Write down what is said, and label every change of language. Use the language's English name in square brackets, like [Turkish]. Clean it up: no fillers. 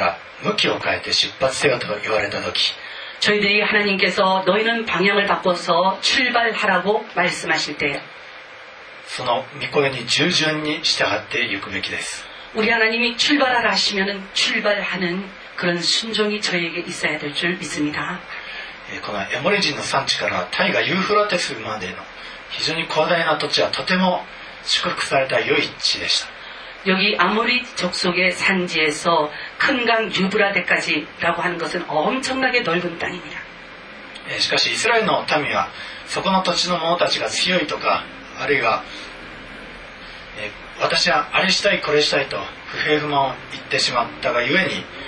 [Japanese] 私たちは神様から向きを変えて出発せよと言われた時 [Korean] 저희들이 하나님께서 너희는 방향을 바꿔서 출발하라고 말씀하실 때 [Japanese] その御声に従順に従っていくべきです。 [Korean] 우리 하나님이 출발하라 하시면 출발하는 그런 순종이 저희에게 있어야 될 줄 믿습니다. [Japanese] 에모리진の산地から大河ユーフラテスまでの非常に広大な土地はとても祝福された良い地でした。 [Korean] 여기 아모리 족속의 산지에서 큰강 유브라데까지라고 하는 것은 엄청나게 넓은 땅입니다. [Japanese] しかしイスラエルの民はそこの土地の者たちが強いとかあるいは私はあれしたいこれしたいと不平不満を言ってしまったがゆえに